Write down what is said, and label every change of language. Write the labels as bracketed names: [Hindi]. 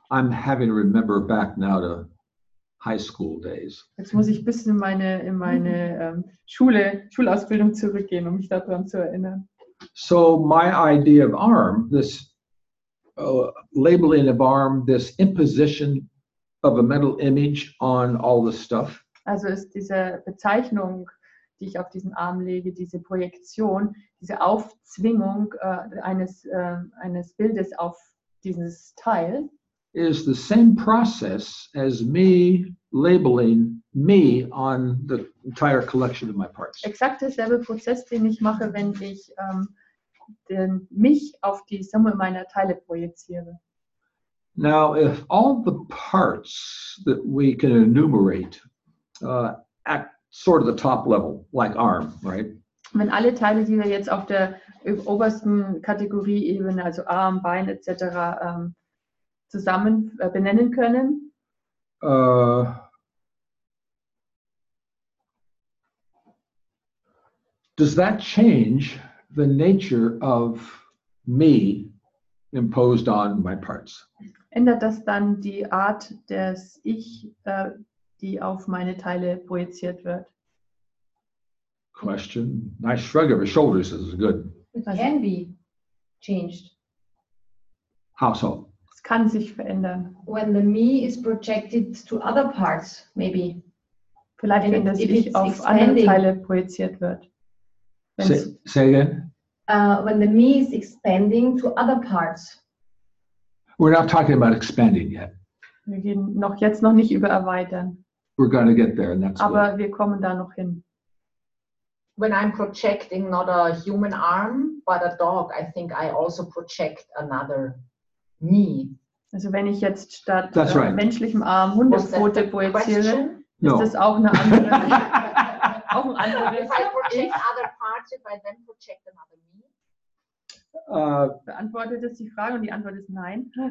[English] I'm having to remember back now to high school days. [German] Jetzt muss ich bis in meine Schulausbildung zurückgehen, um mich daran zu erinnern. [English] So my idea of arm, this labeling of arm, this imposition of a mental image on all the stuff. [German] Also ist diese Bezeichnung, die ich auf diesen Arm lege, diese Projektion, diese Aufzwingung eines Bildes auf dieses Teil, [English] is the same process as me labeling me on the entire collection of my parts. [German] Exakt derselbe Prozess, den ich mache, wenn ich mich auf die Summe meiner Teile projiziere. [English] Now, if all the parts that we can enumerate act sort of the top level, like ARM, right? [German] Wenn alle Teile, die wir jetzt auf der obersten Kategorieebene, also ARM, Bein etc., zusammen benennen können? [English] Does that change the nature of me imposed on my parts? [German] Ändert das dann die Art des Ich, die auf meine Teile projiziert wird? [English] Question. Nice shrug of his shoulders. This is good. It can be changed. How so? [German] Es kann sich verändern. [English] When the me is projected to other parts, maybe. [German] Vielleicht, wenn das Ich auf andere Teile projiziert wird. [English] Say again. When the me is expanding to other parts. We're not talking about expanding yet. [German] Wir gehen noch jetzt noch nicht über erweitern. [English] We're going to get there, and that's good. [German] Aber wir kommen da noch hin. [English] When I'm projecting not a human arm, but a dog, I think I also project another me. [German] Also wenn ich jetzt statt menschlichem Arm Hundepfote projiziere, ist das auch eine andere, auch ein anderes. [English] If I project other parts, if I then project another me? [German] Beantwortet es die Frage und die Antwort ist nein.